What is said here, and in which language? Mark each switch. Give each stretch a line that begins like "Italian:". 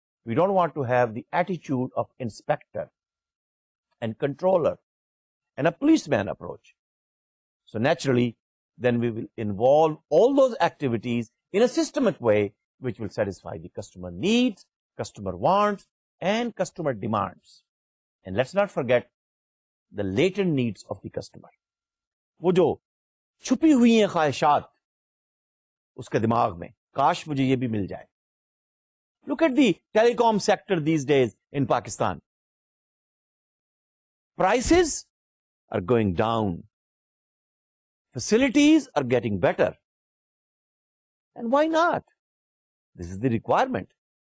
English: We don't want to have the attitude of inspector and controller and a policeman approach. So naturally, then we will involve all those activities in a systemic way which will satisfy the customer needs, customer wants, and customer demands. And let's not forget the latent needs of the customer.
Urdu: وہ جو چھپی ہوئی ہیں خواہشات اس کے دماغ میں, کاش مجھے یہ بھی مل جائے.
English: Look at the telecom sector these days in Pakistan. Prices are going down. Facilities are getting better. And why not? This is the requirement.